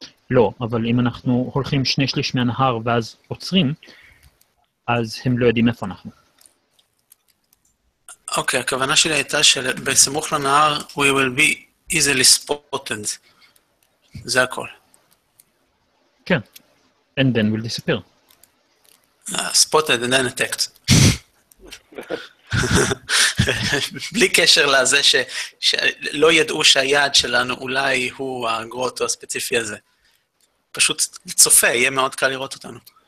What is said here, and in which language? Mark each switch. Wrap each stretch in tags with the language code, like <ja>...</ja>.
<he>לא, אבל אם אנחנו הולכים שני שליש מהנהר ואז עוצרים, אז הם לא יודעים איפה אנחנו. אוקיי, הכוונה שלי הייתה שבסמוך לנהר,</he> <en>we will be easily spotted.</en> <he>זה הכל. כן.</he> <en>And then we'll disappear. Spotted and then attacked.</en> <he>בלי קשר לזה שלא ידעו שהיעד שלנו אולי הוא הגרוטו הספציפי הזה. פשוט צופה, יהיה מאוד קל לראות אותנו.</he>